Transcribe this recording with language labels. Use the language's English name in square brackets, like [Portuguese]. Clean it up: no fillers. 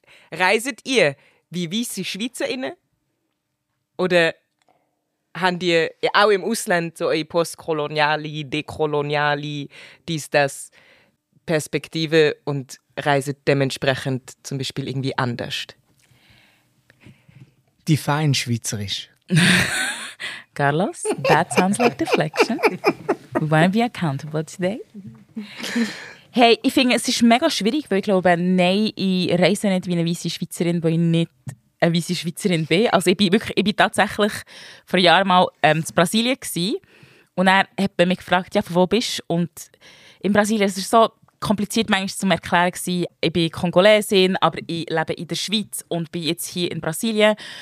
[German] Reiset ihr wie weisse SchweizerInnen? Oder habt ihr auch im Ausland so eine postkoloniale, dekoloniale, dies, das Perspektive und reiset dementsprechend zum Beispiel irgendwie anders? Die fein schweizerisch. [English] Carlos, that sounds like deflection. We won't be accountable today. [German] Hey, ich finde, es ist mega schwierig, weil ich glaube, nein, ich reise nicht wie eine weisse Schweizerin, weil ich nicht eine weisse Schweizerin bin. Also ich bin tatsächlich vor Jahren mal in Brasilien gewesen, und er hat bei mir gefragt, ja, von wo bist du? Und in Brasilien, es ist so kompliziert manchmal zu erklären, ich bin Kongolesin, aber ich lebe in der Schweiz und bin jetzt hier in Brasilien.